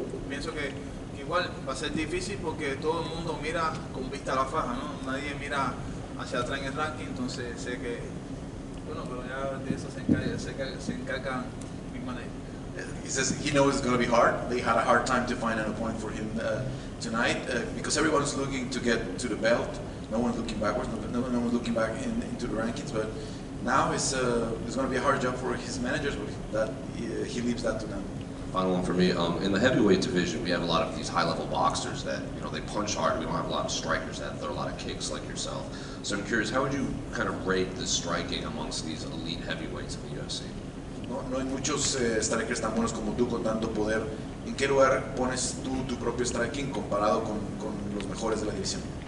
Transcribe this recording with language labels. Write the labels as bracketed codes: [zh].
[es] Pienso que igual va a ser difícil porque todo el mundo mira con vista a la faja, ¿no? Nadie mira hacia atrás en el ranking, entonces sé que bueno, pero ya de eso se encarga mi manera. [en] He says he knows it's going to be hard. They had a hard time to find an opponent for him tonight because everyone's looking to get to the belt. No one's looking backwards, no one's looking back into the rankings. But now it's going to be a hard job for his managers, but that he leaves that to them. Final one for me. In the heavyweight division, we have a lot of these high-level boxers that, you know, they punch hard. We don't have a lot of strikers that throw a lot of kicks like yourself. So I'm curious, how would you kind of rate the striking amongst these elite heavyweights of the UFC? [es] No hay muchos strikers tan buenos como tú con tanto poder. ¿En qué lugar pones tú tu propio striking comparado con los mejores de la división?